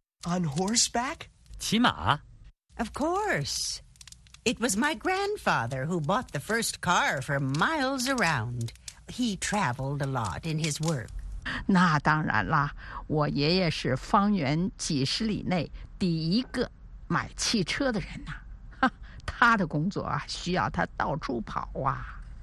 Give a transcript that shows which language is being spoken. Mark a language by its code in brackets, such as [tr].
[en] On horseback? [zh] 骑马？ [en] Of course. It was my grandfather who bought the first car for miles around. He traveled a lot in his work. [zh] 那当然了，我爷爷是方圆几十里内第一个买汽车的人呐、啊，他的工作啊，需要他到处跑啊。